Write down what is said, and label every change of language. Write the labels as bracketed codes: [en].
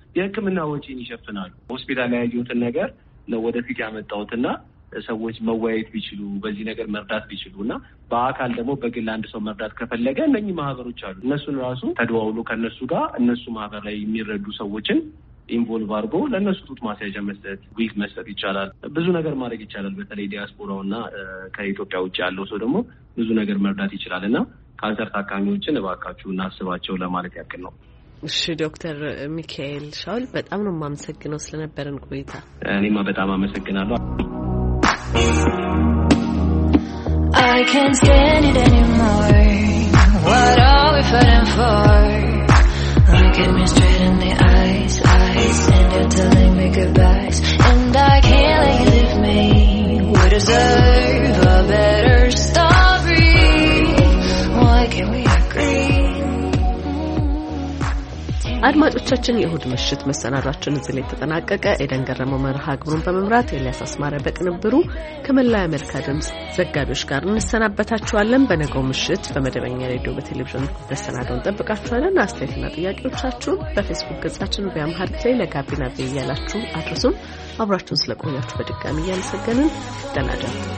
[am] የህክምና ወጪን ይሸፍናሉ። ሆስፒታል ላይ ያየሁትን ነገር ነው ወደፊት ያመጣሁትና ሰዎች መወያየት ቢችሉ በዚህ ነገር መርዳት ቢችሉ እና በአካል ደግሞ በግል አንድ ሰው መርዳት ከፈለገ እነኚህ ማህበሮች አሉ። እነሱን ራሱ ተደዋውሎ ከእነሱ ጋር እነሱ ማህበር ላይ የሚረዱ ሰዎችን ኢንቮልቭ አድርጎ ለእነሱ ጡት ማስያዣ መስጠት፣ ዊግ መስጠት ይቻላል። ብዙ ነገር ማድረግ ይቻላል። በተለይ ዲያስፖራው እና ከኢትዮጵያ ውጭ ያለው ሰው ደግሞ ብዙ ነገር መርዳት ይችላል እና ካንሰር ታካሚዎችን እባካችሁ እናስባቸው ለማለት ያክል ነው። እሺ፣ ዶክተር ሚካኤል ሻውል በጣም ነው የማመሰግነው ስለነበረን ቆይታ። እኔማ በጣም አመሰግናለሁ። [en] I can't stand it anymore. What are we fighting for? Look at me straight in the eyes, eyes, and you're telling me goodbyes. And I can't let you leave me. We deserve a better story. Why can't we agree? [am] አድማጮቻችን፣ የእሁድ ምሽት መሰናዷችን እዚህ ላይ ተጠናቀቀ። ኤደን ገረመው መርሃ ግብሩን በመምራት፣ ኤልያስ አስማረ በቅንብሩ ከመላ የአሜሪካ ድምፅ ዘጋቢዎች ጋር እንሰናበታችኋለን። በነገው ምሽት በመደበኛ ሬዲዮ በቴሌቪዥን መሰናዶው እንጠብቃችኋለን። አስተያየትና ጥያቄዎቻችሁን በፌስቡክ ገጻችን በአምሃሪክ ላይ ለጋቢና ቤ እያላችሁ አድርሱም። አብራችሁን ስለቆያችሁ በድጋሚ እያመሰገንን ደህና ደሩ።